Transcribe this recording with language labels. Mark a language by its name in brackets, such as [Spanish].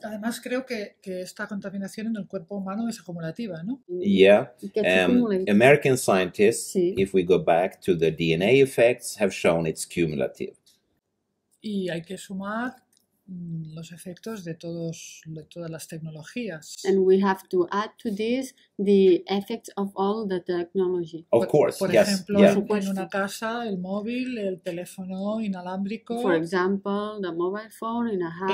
[Spanish] Además, creo que esta contaminación en el cuerpo humano es acumulativa, ¿no? [English] Yeah. American scientists, sí, if we go back to the DNA effects, have shown it's cumulative. [Spanish] Y hay que sumar los efectos de todos, de todas las tecnologías. [English] And we have to add to this the effects of all the technology. Of course, [Spanish] por [English] yes. [Spanish] Por ejemplo, yeah, en una casa, el móvil, el teléfono inalámbrico. [English] For example, the mobile phone in a house.